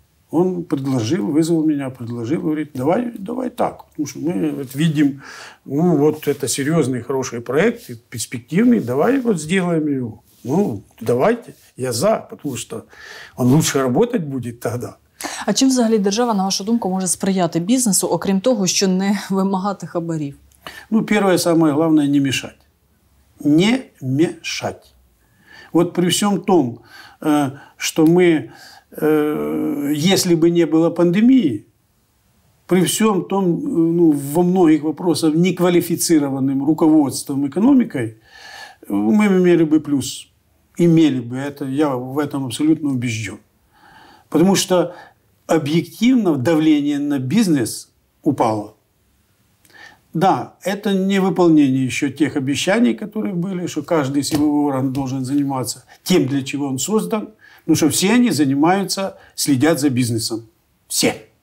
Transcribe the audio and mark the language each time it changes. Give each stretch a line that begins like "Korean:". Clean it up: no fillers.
Russian: Он предложил, вызвал меня, предложил, говорит, давай так. Потому что мы вот видим, ну, вот это серьезный, хороший проект, перспективный, давай вот сделаем его. Ну, давайте, я за, потому что он лучше работать будет тогда.
Ukrainian: А чим взагалі держава, на вашу думку, може сприяти бізнесу, окрім того, що не вимагати хабарів? Ну, перше, саме головне – не мішати. Не мішати. От при всьому тому, що ми, якщо б не було пандемії, при всьому тому, ну,
Russian: во многих вопросах некваліфіцированим руководством економікою,
Ukrainian: ми б мали б плюс. І мали б. Я в цьому абсолютно убежден. Тому що
Russian: объективно давление на бизнес упало. Да, это не выполнение еще тех обещаний, которые были, что каждый силовой орган должен заниматься тем, для чего он создан, но что все они занимаются, следят за бизнесом. Все.